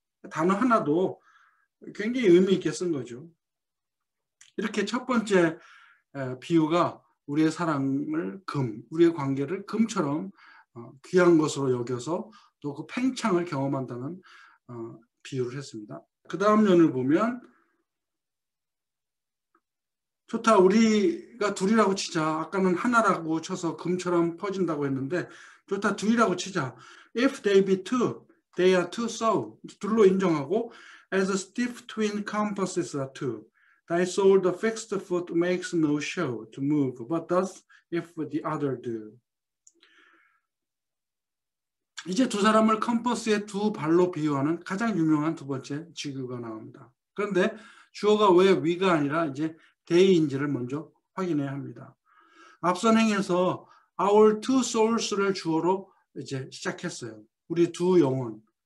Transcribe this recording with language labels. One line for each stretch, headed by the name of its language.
Korean: 단어 하나도 굉장히 의미 있게 쓴 거죠. 이렇게 첫 번째 비유가 우리의 사랑을 금, 우리의 관계를 금처럼 귀한 것으로 여겨서 또 그 팽창을 경험한다는 비유를 했습니다. 그 다음 면을 보면 좋다, 우리가 둘이라고 치자. 아까는 하나라고 쳐서 금처럼 퍼진다고 했는데 좋다, 둘이라고 치자.
English: If they be two, they are two soul.
Korean: 둘로 인정하고
English: As a stiff twin compasses are two. Thy soul, the fixed foot, makes no show to move, but does if the other do.
Korean: 이제 두 사람을 컴퍼스의 두 발로 비유하는 가장 유명한 두 번째 직유가 나옵니다. 그런데 주어가 왜 we가 아니라 이제 they인지를 먼저 확인해야 합니다. 앞선 행에서
English: our two souls
Korean: 를 주어로 이제 시작했어요. 우리 두 영혼.